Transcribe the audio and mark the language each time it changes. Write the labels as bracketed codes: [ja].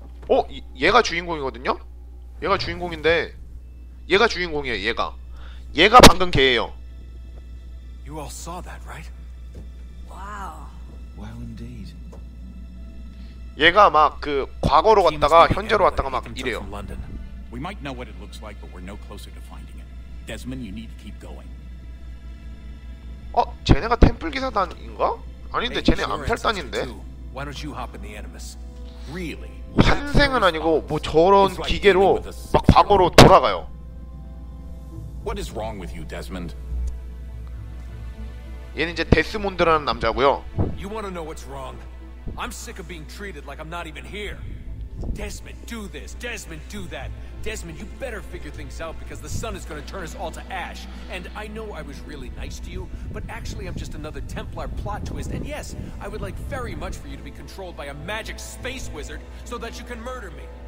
[ko] 어? 얘가 주인공이거든요? 얘가 주인공인데 얘가 주인공이에요. 얘가 방금 걔예요. [en] You all saw that, right? Wow. Well, indeed. [ko] 얘가 막 그 과거로 갔다가 현재로 왔다가 막 이래요. [en] We might know what it looks like, but we're no closer to finding it. Desmond, you need to keep going. [ko] 어, 쟤네가 템플 기사단인가? 아닌데 쟤네 암살단인데. [en] Why don't you hop in the Animus? Really? [ko] 환생은 아니고 뭐 저런 기계로 막 과거로 돌아가요. [en] What is wrong with you, Desmond? [ko] 얘는 이제 데스몬드라는 남자고요. [en] You want to know what's wrong? I'm sick of being treated like I'm not even here. Desmond, do this. Desmond, do that. Desmond, you better figure things out because the sun is going to turn us all to ash. And I know I was really nice to you, but actually I'm just another Templar plot twist. And yes, I would like very much for you to be controlled by a magic space wizard so that you can murder me.